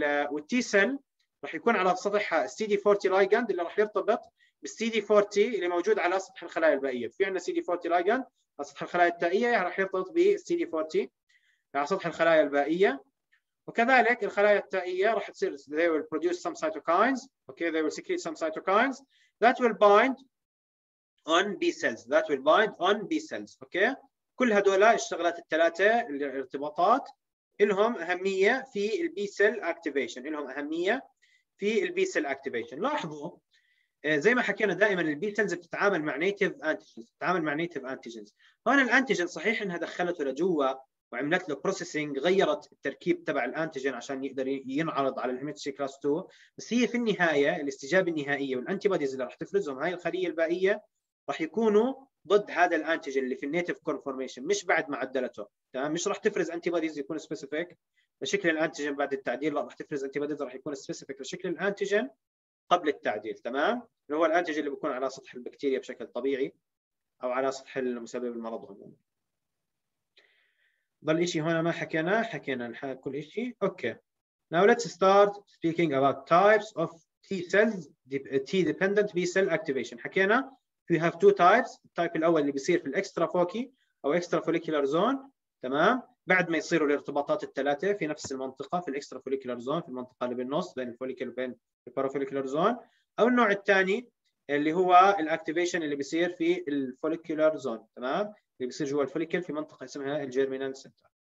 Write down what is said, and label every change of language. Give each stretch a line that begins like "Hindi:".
Arabic: والT-cell راح يكون على سطح CD40 ligand اللي راح يرتبط بالCD40 اللي موجود على سطح الخلايا البائية. في عندنا CD40 ligand على سطح الخلايا التائية راح يرتبط بالCD40 على سطح الخلايا البائية. وكذلك الخلايا التائية راح تصير
English: they will produce some cytokines. Okay, they will secrete some cytokines that will bind on B cells. That will bind on B cells. Okay.
Arabic: كل هدول الشغلات الثلاثة الارتباطات لهم أهمية في B cell activation. لهم أهمية في B cell activation. لاحظوا زي ما حكينا دائما البي سيلز بتتعامل مع نيتيف انتيجنز، بتتعامل مع نيتيف انتيجنز. هون الانتيجن صحيح انها دخلته لجوا وعملت له بروسيسنج، غيرت التركيب تبع الانتيجن عشان يقدر ينعرض على الام اتش كلاس 2، بس هي في النهايه الاستجابه النهائيه والانتي بوديز اللي راح تفرزهم هاي الخليه البائيه راح يكونوا ضد هذا الانتيجن اللي في النيتيف كونفورميشن، مش بعد معدلته، تمام؟ مش راح تفرز انتي بوديز يكون سبيسيفيك لشكل الانتيجن بعد التعديل، لا، راح تفرز انتي بوديز راح يكون سبيسيفيك لشكل الانتيجن قبل التعديل، تمام؟ اللي هو الانتيجن اللي بيكون على سطح البكتيريا بشكل طبيعي او على سطح المسبب المرض عموما. ضل شيء هنا ما حكيناه؟ حكينا كل شيء. اوكي.
English: Now let's start speaking about types of T cells, T dependent B cell activation.
Arabic: حكينا
English: we have two types.
Arabic: التايب الاول اللي بيصير في الاكسترا فوكي او اكسترا فوليكيولار زون، تمام؟ بعد ما يصيروا الارتباطات الثلاثه في نفس المنطقه في الاكسترا فوليكيولار زون، في المنطقه اللي بالنص بين الفوليكل وبين البارافوليكولار زون، او النوع الثاني اللي هو الاكتيفيشن اللي بيصير في الفوليكولار زون، تمام؟ اللي بيصير جوا الفوليكل في منطقه اسمها الجيرمينال سنتر.